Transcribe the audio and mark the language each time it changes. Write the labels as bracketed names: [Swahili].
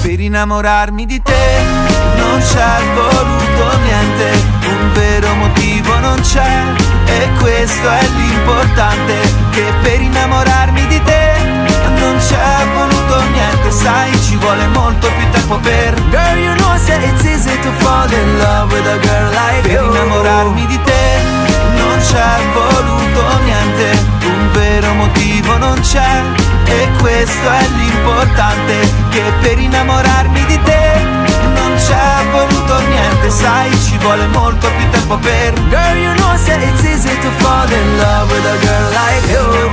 [Italian] Per innamorarmi di te non c'è voluto niente, un vero motivo non c'è, e questo è l'importante, che per innamorarmi di te non c'è voluto niente, sai ci vuole molto più tempo per. [English] Girl, you know that it's easy to fall in love with a girl like you. [Italian] Per innamorarmi di te non c'è voluto niente, un vero motivo non c'è, e questo è l'importante, che per innamorarmi di te non c'è voluto niente, sai ci vuole molto più tempo per. [English] Girl, you know that it's easy to fall in love with a girl like you.